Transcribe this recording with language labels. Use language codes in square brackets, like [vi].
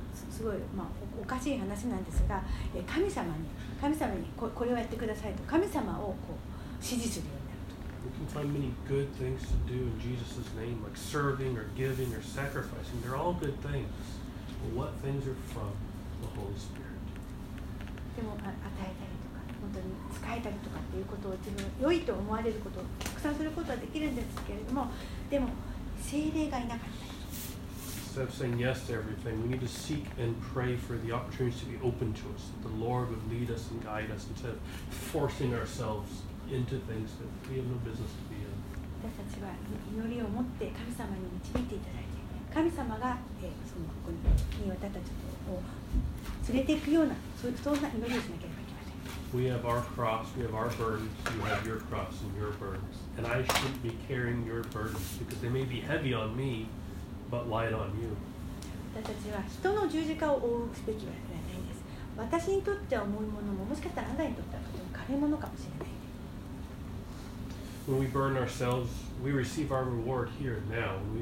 [ja] すごい、おかしい話なんですが、神様にこれをやってくださいと神様をこう指示するようになると。 [en] We can find many good things to do in Jesus' name, like serving or giving or sacrificing. They're all good things. But what things are from the Holy Spirit? [ja] でも与えたりとか、本当に使えたりとかっていうことを自分良いと思われることをたくさんすることはできるんですけれども、でも聖霊がいなかった。 [en] Instead of saying yes to everything, we need to seek and pray for the opportunities to be open to us, that the Lord would lead us and guide us instead of forcing ourselves into things that we have no business to be in. [ja] 私たちは祈りを持って神様に導いていただいて、神様がそのここに私たちを連れていくような、そんな祈りをしなければいけません。 [en] We have our cross, we have our burdens, you have your cross and your burdens. And I shouldn't be carrying your burdens because they may be heavy on me. But light on you. [ja] 私たちは人の十字架を負うべきではないです。私にとっては重いものも、もしかしたらあなたにとってはとても軽いものかもしれない。 [en] When we burn ourselves, we receive our reward here and now.